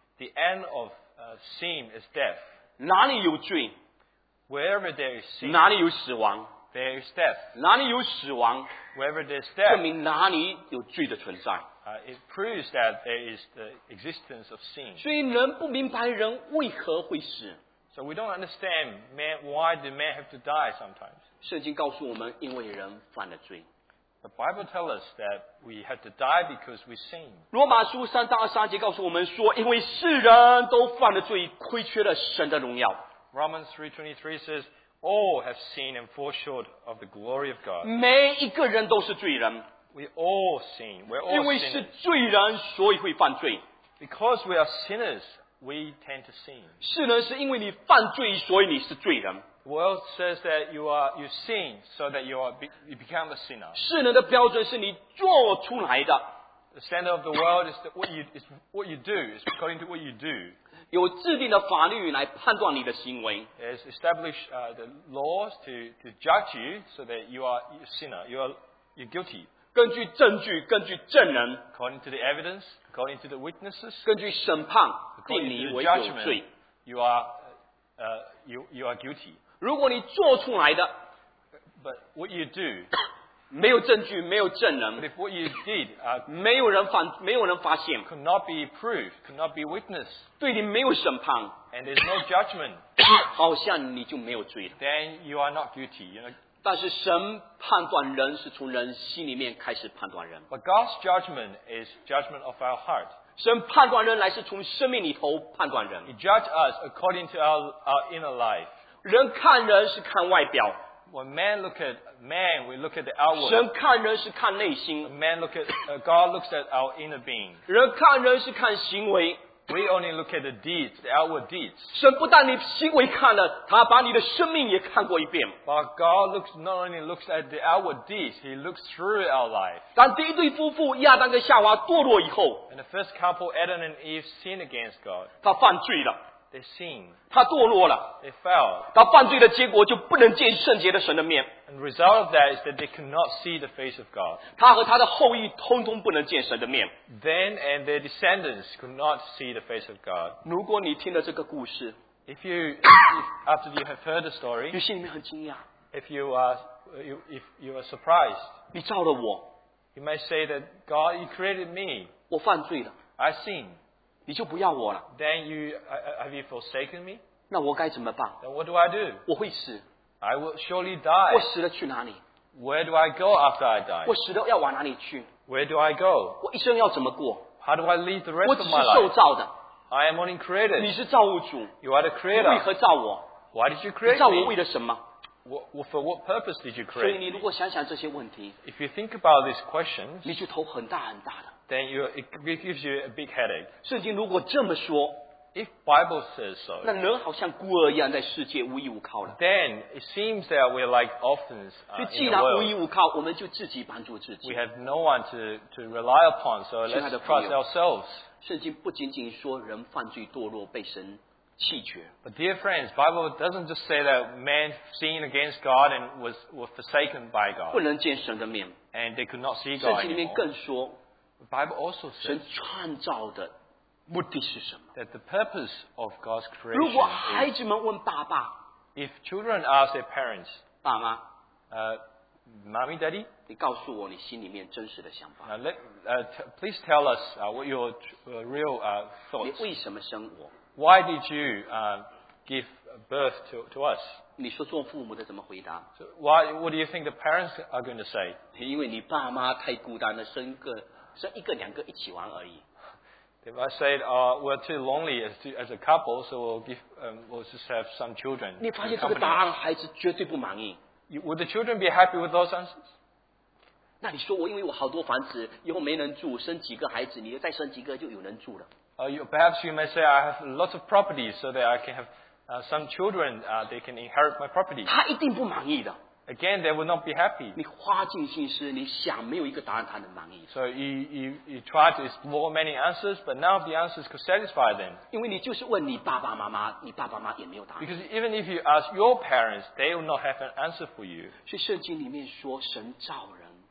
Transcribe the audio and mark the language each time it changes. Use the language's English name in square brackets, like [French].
[English] The end of sin is death. [Chinese] 哪里有罪？ [English] Wherever there is sin, [Chinese] 哪里有死亡？ [English] There is death. [Chinese] 哪里有死亡？ [English] Wherever there is death, [Chinese] 证明哪里有罪的存在。 [English] It proves that there is the existence of sin. [Chinese] 所以人不明白人为何会死。 [English] So we don't understand man, why did man have to die sometimes. [Chinese] 圣经告诉我们因为人犯了罪。 [English] The Bible tells us that we had to die because we sinned. [Chinese] 罗马书三章二十三节告诉我们说因为世人都犯了罪亏缺了神的荣耀。 [English] Romans 3:23 says, all have sinned and fall short of the glory of God. [Chinese] 每一个人都是罪人。 [English] We all sin. We're all [Chinese] 因为是罪人所以会犯罪。 [English] Because we are sinners,We tend to sin. [Chinese] 世人是因为你犯罪，所以你是罪人。 [English] The world says that you sin, so that you become a sinner. [Chinese] 世人的标准是你做出来的。 [English] The standard of the world is what you do, is according to what you do. [Chinese] 有制定的法律来判断你的行为。 [English] It's established the laws to judge you, so that you are a sinner. You're guilty. [Chinese] 根据证据，根据证人， [English] according to the evidence, according to the witnesses, [Chinese] 根据审判定你为有罪。 [English] You are guilty. [Chinese] 如果你做出来的， [English] but what you do, [Chinese] 没有证据，没有证人， [English] but if what you did, [Chinese] 没有人发现， [English] could not be proved, could not be witnessed, [Chinese] 对你没有审判， [English] and there's no judgment, [Chinese] 好像你就没有罪了。 [English] Then you are not guilty. You know, [Chinese] 但是神判断人是从人心里面开始判断人。 [English] But God's judgment is judgment of our heart. [Chinese] 神判断人乃是从生命里头判断人。 [English] He judge us according to our inner life. [Chinese] 人看人是看外表。 [English] When man look at man, we look at the outward. [Chinese] 神看人是看内心。 [English] Man look at, God looks at our inner being. [Chinese] 人看人是看行为。 [English] We only look at the deeds, the outward deeds. [Chinese] 神不但你行为看了，他把你的生命也看过一遍。 [English] But God looks not only looks at the outward deeds, He looks through our life. [Chinese] 当第一对夫妇亚当跟夏娃堕落以后 [English] ，And the first couple Adam and Eve sinned against God. [Chinese] 他犯罪了。 [English] They sinned. [Chinese] 他堕落了。 [English] They fell. [Chinese] 他犯罪的结果就不能见圣洁的神的面。 [English] And the result of that is that they cannot see the face of God. [Chinese] 他和他的后裔通通不能见神的面。 [English] Then and their descendants could not see the face of God. [Chinese] 如果你听了这个故事 [English] if after you have heard the story, [Chinese] 你心里面很惊讶。 [English] If you are surprised, [Chinese] 你造了我。 [English] You may say that God, you created me. [Chinese] 我犯罪了。 [English] I sinned. [Chinese] 你就不要我了。 [English] Then you, have you forsaken me? [Chinese] 那我该怎么办？ [English] Then what do I do? [Chinese] 我会死。 [English] I will surely die. [Chinese] 我死了去哪里？ [English] Where do I go after I die? [Chinese] 我死了要往哪里去？ [English] Where do I go? [Chinese] 我一生要怎么过？ [English] How do I live the rest of my life? [Chinese] 我只是受造的。 [English] I am only created. [Chinese] 你是造物主。 [English] You are the creator. [Chinese] 你为何造我？ [English] Why did you create me? [Chinese] 你造我为了什么？ [English] For what purpose did you create me? [Chinese] 所以你如果想想这些问题， [English] If you think about these questions, [Chinese] 你就头很大很大的。 [English] Then it gives you a big headache. [Chinese] 圣经如果这么说。 [English] If Bible says so, [Chinese] 那人好像孤儿一样在世界无依无靠了。 [English] Then it seems that we're like orphans in the world. [Chinese] 既然无依无靠，我们就自己帮助自己。 [English] We have no one to rely upon, so let's trust ourselves. [Chinese] 圣经不仅仅说人犯罪堕落被神弃绝。 [English] But dear friends, Bible doesn't just say that man sinned against God and was forsaken by God. [Chinese] 不能见神的面。 [English] And they could not see God. [Chinese] 圣经里面更说 [English] ，Bible also says [Chinese] 神创造的目的是什么 [English] ？That the purpose of God's creation. [Chinese] 如果孩子们问爸爸 [English] ，If children ask their parents, [Chinese] 爸妈， [English] Mommy, Daddy, [Chinese] 你告诉我你心里面真实的想法。 [English] Please tell us what your real thoughts. [Chinese] 你为什么生我 [English] ？Why did you give birth to us? [Chinese] 你说做父母的怎么回答 [English] ？So why? What do you think the parents are going to say? [Chinese] 因为你爸妈太孤单了，生一个两个一起玩而已。 [English] If I said, we're too lonely as a couple, so we'll just have some children. [Chinese] 你发现这个答案，孩子绝对不满意。 [English] Would the children be happy with those answers? [Chinese] 那你说我因为我好多房子，以后没人住，生几个孩子，你又再生几个，就有人住了。 [English] Perhaps you may say I have lots of property so that I can have some children. They can inherit my property. [Chinese] 他一定不满意的。 [English] Again, they will not be happy. [Chinese] 你花尽心思，你想没有一个答案他能满意。 [English] So you try to explore many answers, but none of the answers could satisfy them. [Chinese] 因为你就是问你爸爸妈妈，你爸爸妈妈也没有答案。 [English] Because even if you ask your parents, they will not have an answer for you. [Chinese] 所以圣经里面说，神造人。